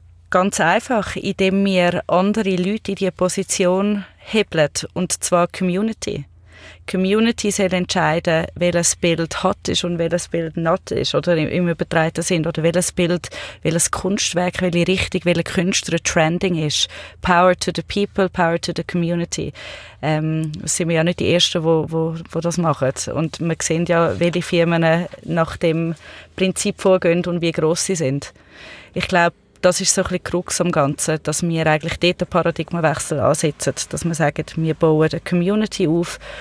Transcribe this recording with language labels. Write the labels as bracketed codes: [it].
[de] Ganz einfach, indem wir andere Leute in diese Position hebeln, und zwar Community. Community soll entscheiden, welches Bild hot ist und welches Bild not ist, oder im übertreiten Sinn, oder welches Bild, welches Kunstwerk, welche Richtung, welcher Künstler trending ist. [en] Power to the people, power to the community. [de] Sind wir ja nicht die Ersten, wo das machen. Und wir sehen ja, welche Firmen nach dem Prinzip vorgehen und wie gross sie sind. Ich glaube, das ist so ein bisschen die Krux am Ganzen, dass wir eigentlich dort einen Paradigmenwechsel ansetzen, dass wir sagen, wir bauen eine Community auf,